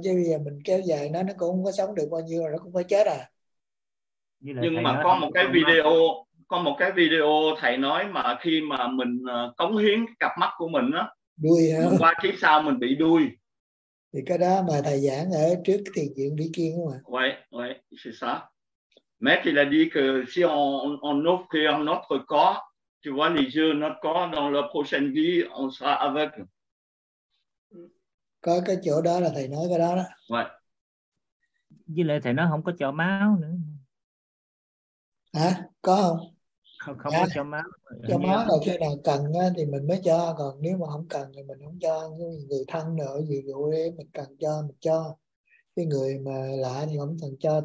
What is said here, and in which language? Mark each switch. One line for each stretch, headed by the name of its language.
Vietnamese: Chứ bây giờ mình kéo dài nó cũng không có sống được bao nhiêu, nó cũng phải chết à. Nhưng mà có một cái video, có một cái video thầy nói mà khi mà mình cống hiến cặp mắt của mình á. Đuôi hả? Mình qua kiếp sau mình bị đuôi. Thì cái đó mà thầy giảng ở trước thiền viện Lý Kiên đúng không
French: ạ? Oui, c'est ça. Mais il a dit que si on offre notre corps, tu vois les yeux, notre corps, dans la prochaine vie, on sera avec.
Vietnamese: Có cái chỗ đó là thầy nói cái đó đó. Vậy. Với lại thầy nói không có chỗ máu nữa. Hả? Có không? Không có chỗ máu. Chỗ máu là khi nào cần thì mình mới cho. Còn nếu mà không cần thì mình không cho. Người thân nữa, ví dụ mình cần cho, mình cho. Cái người mà lạ thì không cần cho.